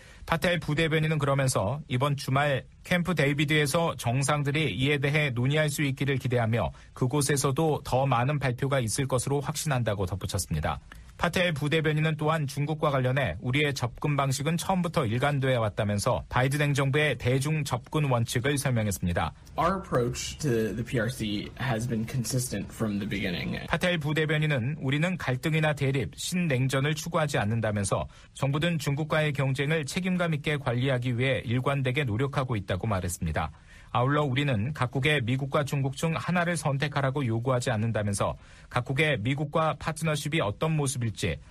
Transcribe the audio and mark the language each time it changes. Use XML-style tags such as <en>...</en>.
<ko>파텔 부대변인은 그러면서 이번 주말 캠프 데이비드에서 정상들이 이에 대해 논의할 수 있기를 기대하며 그곳에서도 더 많은 발표가 있을 것으로 확신한다고 덧붙였습니다. 파텔 부대변인은 또한 중국과 관련해 우리의 접근 방식은 처음부터 일관돼 왔다면서 바이든 행정부의 대중 접근 원칙을 설명했습니다.</ko> <en>Our approach to the PRC has been consistent from the beginning.</en> <ko>파텔 부대변인은 우리는 갈등이나 대립, 신냉전을 추구하지 않는다면서 정부는 중국과의 경쟁을 책임감 있게 관리하기 위해 일관되게 노력하고 있다고 말했습니다. 아울러 우리는 각국의 미국과 중국 중 하나를 선택하라고 요구하지 않는다면서 각국의 미국과 파트너십이 어떤 모습일지</ko>